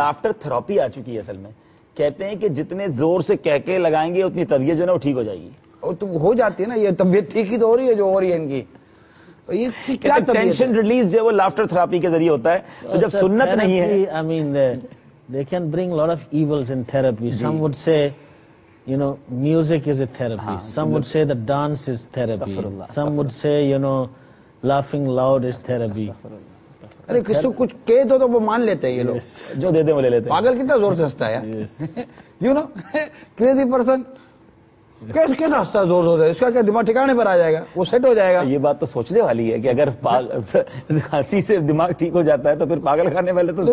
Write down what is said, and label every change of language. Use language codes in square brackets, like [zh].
[ur] Laughter therapy آ چکی ہے اصل میں، کہتے ہیں کہ جتنے زور سے کہکے لگائیں گے اتنی طبیعت جو ہے نا وہ ٹھیک ہو جائے گی، تو ہو جاتی ہے نا یہ طبیعت ٹھیک ہی تو ہو رہی ہے جو ہو رہی ہے ان کی، یہ کیا ٹینشن ریلیز جو ہے وہ لافٹر تھراپی کے ذریعے ہوتا ہے، تو جب سنت نہیں ہے [en] they can bring lot of evils in therapy. Some would say you know music is a therapy, some would say the dance is therapy, some would say you know laughing loud is therapy. [ur] ارے کسی کچھ کہہ دو تو وہ مان لیتے ہیں یہ لوگ، جو دے دے وہ لے لیتے ہیں، پاگل کتنا زور سے ہنستا ہے [en] you know crazy person [ur] کتنا ہنستا ہے زور زور سے، اس کا کیا دماغ ٹھکانے پر آ جائے گا وہ سیٹ ہو جائے گا، یہ بات تو سوچنے والی ہے کہ اگر ہنسی سے دماغ ٹھیک ہو جاتا ہے تو پھر پاگل خانے والے تو